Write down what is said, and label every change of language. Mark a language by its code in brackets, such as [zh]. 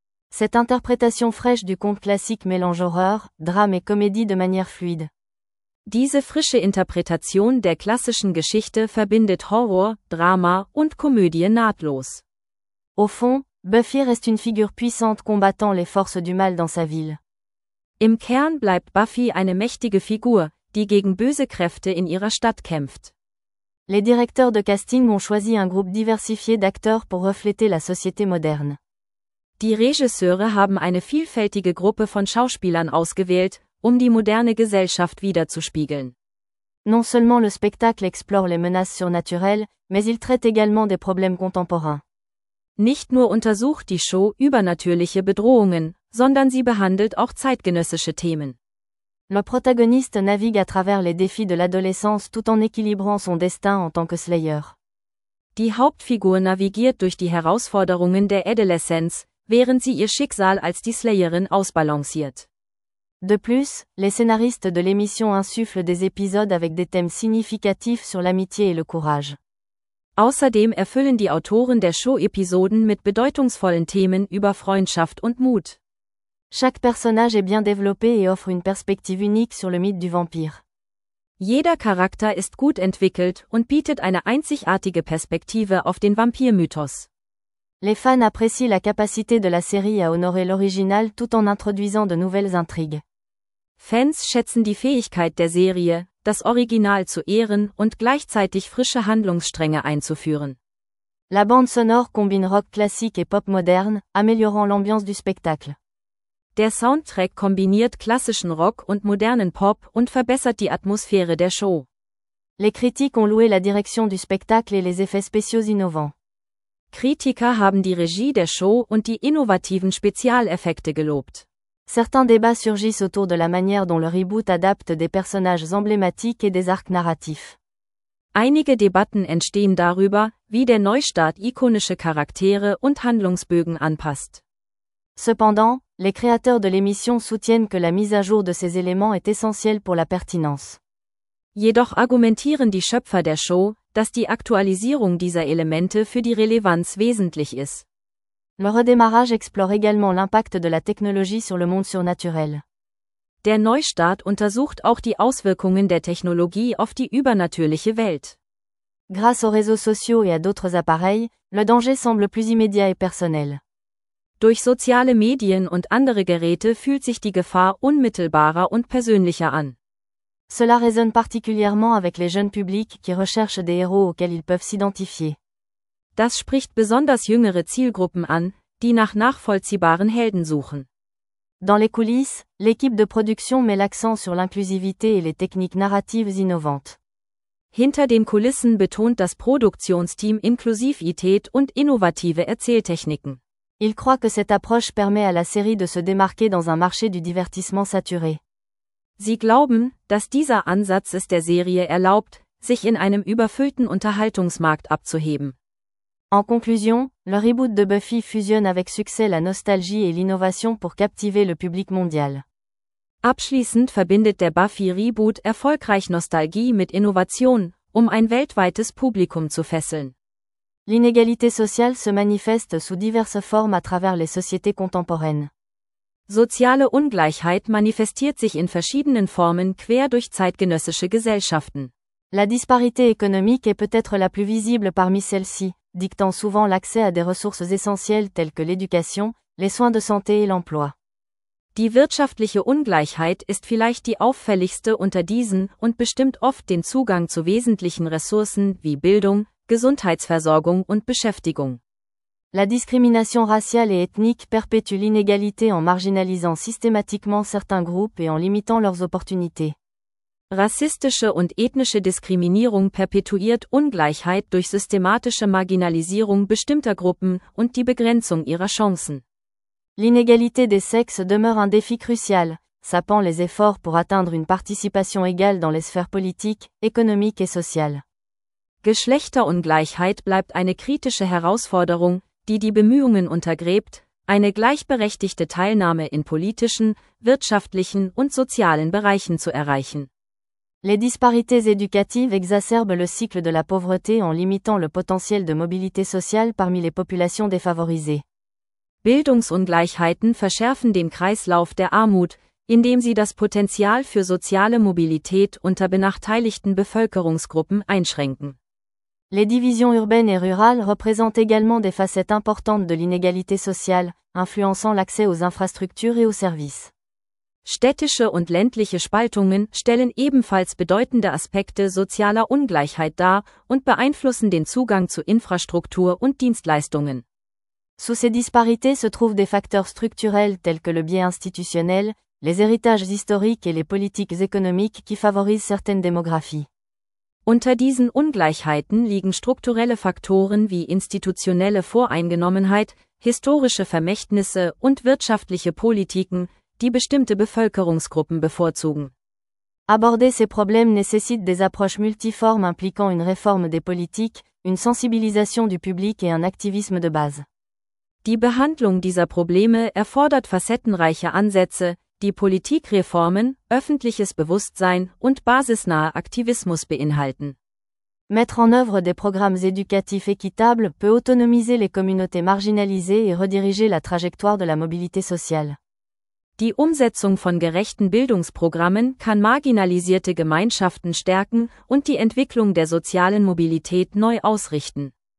[fr] Cette interprétation fraîche du conte classique mélange Horreur, Drame et Comédie de manière fluide. [de] Diese frische Interpretation der klassischen Geschichte verbindet Horror, Drama und Komödie nahtlos. [fr] Au fond, Buffy reste une figure puissante combattant les forces du mal dans sa ville. [de] Im Kern bleibt Buffy eine mächtige Figur, die gegen böse Kräfte in ihrer Stadt kämpft. [fr] Les directeurs de casting ont choisi un groupe diversifié d'acteurs pour refléter la société moderne. [de] Die Regisseure haben eine vielfältige Gruppe von Schauspielern ausgewählt, um die moderne Gesellschaft wiederzuspiegeln. [fr] Non seulement le spectacle explore les menaces surnaturelles, mais il traite également des problèmes contemporains. [de] Nicht nur untersucht die Show übernatürliche Bedrohungen, sondern sie behandelt auch zeitgenössische Themen. [fr] Le protagoniste navigue à travers les défis de l'adolescence tout en équilibrant son destin en tant que slayer. [de] Die Hauptfigur navigiert durch die Herausforderungen der Adoleszenz, während sie ihr Schicksal als die Slayerin ausbalanciert. [fr] De plus, les scénaristes de l'émission insufflent des épisodes avec des thèmes significatifs sur l'amitié et le courage. [de] Außerdem erfüllen die Autoren der Show-Episoden mit bedeutungsvollen Themen über Freundschaft und Mut. [fr] Chaque personnage est bien développé et offre une perspective unique sur le mythe du vampire. [de] Jeder Charakter ist gut entwickelt und bietet eine einzigartige Perspektive auf den Vampirmythos. [fr] Les fans apprécient la capacité de la série à honorer l'original tout en introduisant de nouvelles intrigues. [de] Fans schätzen die Fähigkeit der Serie, das Original zu ehren und gleichzeitig frische Handlungsstränge einzuführen. [fr] La bande sonore combine rock classique et pop moderne, améliorant l'ambiance du spectacle. [de] Der Soundtrack kombiniert klassischen Rock und modernen Pop und verbessert die Atmosphäre der Show. [fr] Les critiques ont loué la direction du spectacle et les effets spéciaux innovants. [de] Kritiker haben die Regie der Show und die innovativen Spezialeffekte gelobt. [fr] Certains débats surgissent autour de la manière dont le reboot adapte des personnages emblématiques et des arcs narratifs. [de] Einige Debatten entstehen darüber, wie der Neustart ikonische Charaktere und Handlungsbögen anpasst. [fr] Cependant, les créateurs de l'émission soutiennent que la mise à jour de ces éléments est essentielle pour la pertinence. [de] Jedoch argumentieren die Schöpfer der Show, dass die Aktualisierung dieser Elemente für die Relevanz wesentlich ist. [fr] Le redémarrage explore également l'impact de la technologie sur le monde surnaturel. [de] Der Neustart untersucht auch die Auswirkungen der Technologie auf die übernatürliche Welt. [fr] Grâce aux réseaux sociaux et à d'autres appareils, le danger semble plus immédiat et personnel. [de] Durch soziale Medien und andere Geräte fühlt sich die Gefahr unmittelbarer und persönlicher an. [fr] Cela résonne particulièrement avec les jeunes publics qui recherchent des héros auxquels ils peuvent s'identifier. [de] Das spricht besonders jüngere Zielgruppen an, die nach nachvollziehbaren Helden suchen. [fr] Dans les coulisses, l'équipe de production met l'accent sur l'inclusivité et les techniques narratives innovantes. [de] Hinter den Kulissen betont das Produktionsteam Inklusivität und innovative Erzähltechniken. [fr] Il croit que cette approche permet à la série de se démarquer dans un marché du divertissement saturé. [de] Sie glauben, dass dieser Ansatz es der Serie erlaubt, sich in einem überfüllten Unterhaltungsmarkt abzuheben. [fr] En conclusion, le reboot de Buffy fusionne avec succès la nostalgie et l'innovation pour captiver le public mondial. [de] Abschließend verbindet der Buffy-Reboot erfolgreich Nostalgie mit Innovation, um ein weltweites Publikum zu fesseln. [fr] L'inégalité sociale se manifeste sous diverses formes à travers les sociétés contemporaines. [de] Soziale Ungleichheit manifestiert sich in verschiedenen Formen quer durch zeitgenössische Gesellschaften. [fr] La disparité économique est peut-être la plus visible parmi celles-ci, dictant souvent l'accès à des ressources essentielles telles que l'éducation, les soins de santé et l'emploi. [de] Die wirtschaftliche Ungleichheit ist vielleicht die auffälligste unter diesen und bestimmt oft den Zugang zu wesentlichen Ressourcen wie Bildung, Gesundheitsversorgung und Beschäftigung. [fr] La discrimination raciale et ethnique perpétue l'inégalité en marginalisant systématiquement certains groupes et en limitant leurs opportunités. [de] Rassistische und ethnische Diskriminierung perpetuiert Ungleichheit durch systematische Marginalisierung bestimmter Gruppen und die Begrenzung ihrer Chancen. [fr] L'inégalité des sexes demeure un défi crucial, sapant les efforts pour atteindre une participation égale dans les sphères politiques, économiques et sociales. [de] Geschlechterungleichheit bleibt eine kritische Herausforderung, die die Bemühungen untergräbt, eine gleichberechtigte Teilnahme in politischen, wirtschaftlichen und sozialen Bereichen zu erreichen. [fr] Les disparités éducatives exacerbent le cycle de la pauvreté en limitant le potentiel de mobilité sociale parmi les populations défavorisées. [de] Bildungsungleichheiten verschärfen den Kreislauf der Armut, indem sie das Potenzial für soziale Mobilität unter benachteiligten Bevölkerungsgruppen einschränken. [fr] Les divisions urbaines et rurales représentent également des facettes importantes de l'inégalité sociale, influençant l'accès aux infrastructures et aux services. [de] Städtische und ländliche Spaltungen stellen ebenfalls bedeutende Aspekte sozialer Ungleichheit dar und beeinflussen den Zugang zu Infrastruktur und Dienstleistungen. [fr] Sous ces disparités se trouvent des facteurs structurels tels que le biais institutionnel, les héritages historiques et les politiques économiques qui favorisent certaines démographies. [de] Unter diesen Ungleichheiten liegen strukturelle Faktoren wie institutionelle Voreingenommenheit, historische Vermächtnisse und wirtschaftliche Politiken, die bestimmte Bevölkerungsgruppen bevorzugen. [fr] Aborder ces problèmes nécessite des approches multiformes impliquant une réforme des politiques, une sensibilisation du public et un activisme de base. [de] Die Behandlung dieser Probleme erfordert facettenreiche Ansätze, die Politikreformen, öffentliches Bewusstsein und basisnahe Aktivismus beinhalten. [fr] Mettre en œuvre des programmes éducatifs équitables peut autonomiser les communautés marginalisées et rediriger la trajectoire de la mobilité sociale. [de] Die Umsetzung von gerechten Bildungsprogrammen kann marginalisierte Gemeinschaften stärken und die Entwicklung der sozialen Mobilität neu ausrichten.